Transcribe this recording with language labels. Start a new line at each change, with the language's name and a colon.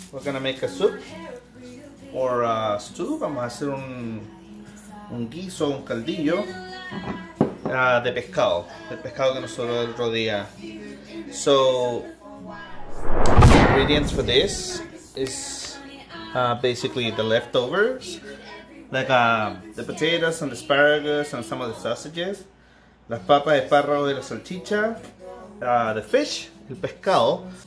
English: We're gonna make a soup or a stew.
Spanish: Vamos a hacer un guiso, un caldillo de pescado. El pescado que nos sobró el otro día.
English: So, ingredients for this is basically the leftovers. Like the potatoes and the asparagus and some of the sausages.
Spanish: Las papas, espárragos y la salchicha.
English: The fish,
Spanish: el pescado.